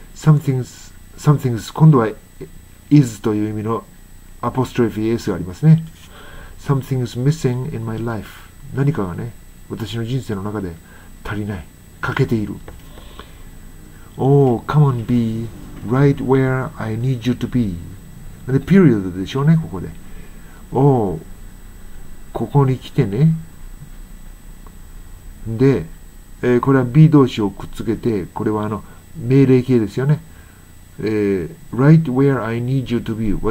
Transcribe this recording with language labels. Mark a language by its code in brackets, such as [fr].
[ja] Something's 今度は is という意味のアポストロフィー S がありますね。 [en] Something's missing in my life、 [ja] 何かがね、私の人生の中で足りない、欠けている。 [en] Oh, come on, be right where I need you to be. [ja] で、ピリオドでしょうね、ここで。Oh, ここに来てね。で、これは be 動詞をくっつけて、これは命令形ですよね。 [en] Right where I need you to be.